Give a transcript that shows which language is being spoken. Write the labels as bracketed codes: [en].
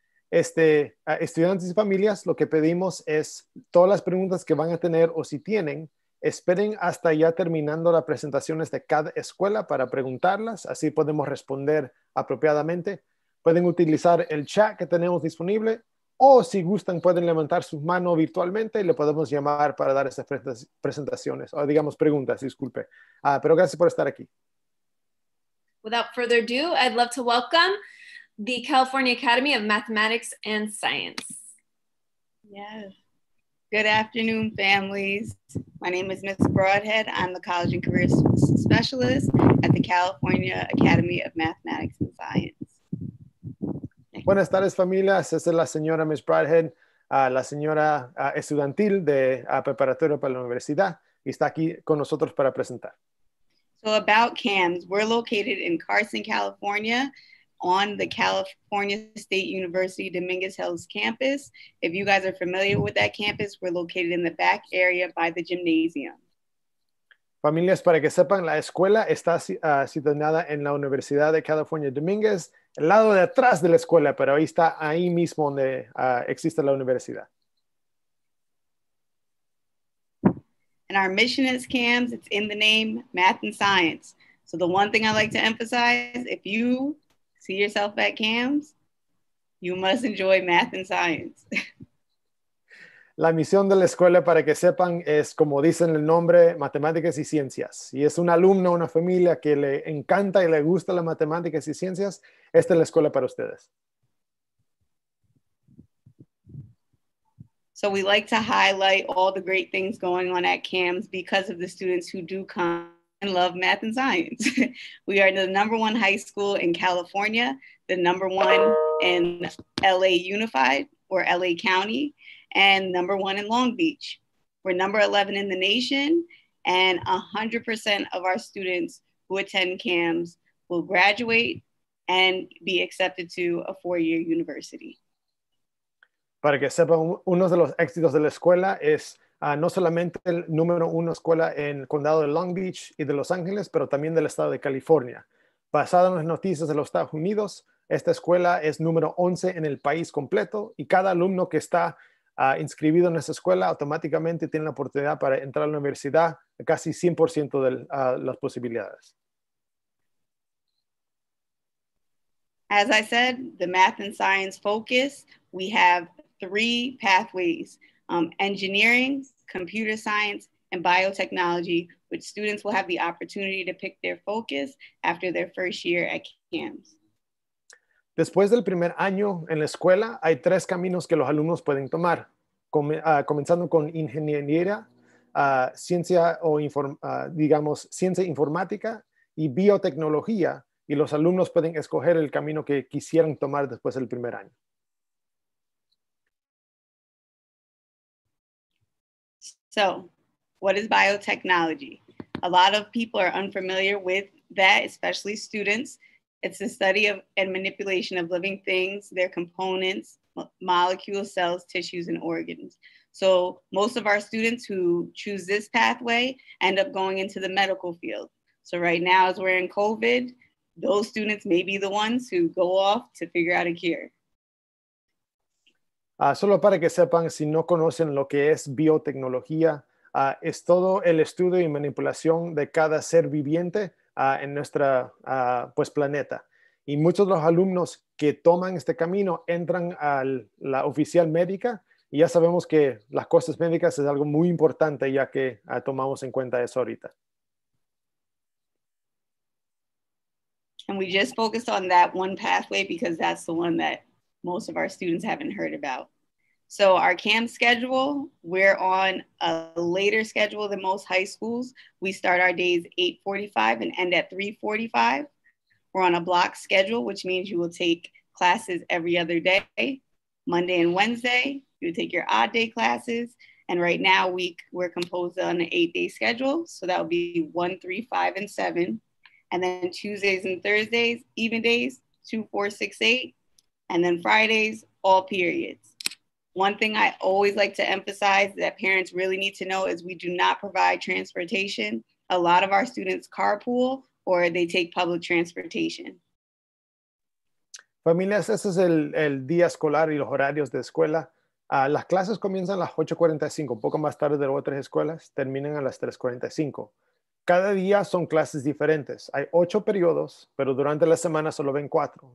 [es] Estudiantes y familias, lo que pedimos es todas las preguntas que van a tener o si tienen, esperen hasta ya terminando las presentaciones de cada escuela para preguntarlas, así podemos responder apropiadamente. Pueden utilizar el chat que tenemos disponible o si gustan pueden levantar su mano virtualmente y le podemos llamar para dar esas presentaciones, o digamos preguntas, disculpe. Pero gracias por estar aquí. [en] Without further ado, I'd love to welcome the California Academy of Mathematics and Science. Yes. Good afternoon, families. My name is Ms. Broadhead. I'm the College and Career Specialist at the California Academy of Mathematics and Science. Next. [es] Buenas tardes, familias. Esta es la señora Ms. Broadhead, la señora estudiantil de preparatoria para la universidad, y está aquí con nosotros para presentar. [en] So about CAMS, we're located in Carson, California, on the California State University Dominguez Hills campus. If you guys are familiar with that campus, we're located in the back area by the gymnasium. [es] Familias, para que sepan, la escuela está situada en la Universidad de California Dominguez, el lado de atrás de la escuela, pero ahí está, ahí mismo donde existe la universidad. [en] And our mission is CAMS, it's in the name, math and science. So the one thing I like to emphasize, if you see yourself at CAMS, you must enjoy math and science. [es] La misión de la escuela, para que sepan, es como dicen el nombre, matemáticas y ciencias. Y es un alumno, una familia que le encanta y le gusta las matemáticas y ciencias, esta es la escuela para ustedes. [en] So we like to highlight all the great things going on at CAMS because of the students who do come and love math and science. We are the number one high school in California, the number one in LA Unified or LA County, and number one in Long Beach. We're number 11 in the nation, and 100% of our students who attend CAMS will graduate and be accepted to a four-year university. [es] Para que sepan, uno de los éxitos de la escuela es no solamente el número uno escuela en el condado de Long Beach y de Los Ángeles, pero también del estado de California. Basado en las noticias de los Estados Unidos, esta escuela es número 11 en el país completo y cada alumno que está inscrito en esa escuela automáticamente tiene la oportunidad para entrar a la universidad casi 100% de las posibilidades. [en] As I said, the math and science focus, we have three pathways, engineering, computer science, and biotechnology, which students will have the opportunity to pick their focus after their first year at CAMS. [es] Después del primer año en la escuela, hay tres caminos que los alumnos pueden tomar, comenzando con ingeniería, ciencia informática y biotecnología, y los alumnos pueden escoger el camino que quisieran tomar después del primer año. [en] So, what is biotechnology? A lot of people are unfamiliar with that, especially students. It's the study of and manipulation of living things, their components, molecules, cells, tissues, and organs. So, most of our students who choose this pathway end up going into the medical field. So, right now, as we're in COVID, those students may be the ones who go off to figure out a cure. [es] Solo para que sepan, si no conocen lo que es biotecnología, es todo el estudio y manipulación de cada ser viviente en nuestro planeta. Y muchos de los alumnos que toman este camino entran a la oficial médica y ya sabemos que las cosas médicas es algo muy importante ya que tomamos en cuenta eso ahorita. [en] And we just focused on that one pathway because that's the one that most of our students haven't heard about. So our CAM schedule, we're on a later schedule than most high schools. We start our days 8:45 and end at 3:45. We're on a block schedule, which means you will take classes every other day, Monday and Wednesday. You will take your odd day classes. And right now we're composed on an 8-day schedule. So that would be 1, 3, 5, and 7. And then Tuesdays and Thursdays, even days, 2, 4, 6, 8. And then Fridays, all periods. One thing I always like to emphasize that parents really need to know is we do not provide transportation. A lot of our students carpool or they take public transportation. [es] Familias, ese es el día escolar y los horarios de escuela. Las clases comienzan a las 8:45, un poco más tarde de las otras escuelas, terminan a las 3:45. Cada día son clases diferentes. Hay 8 periodos, pero durante la semana solo ven 4.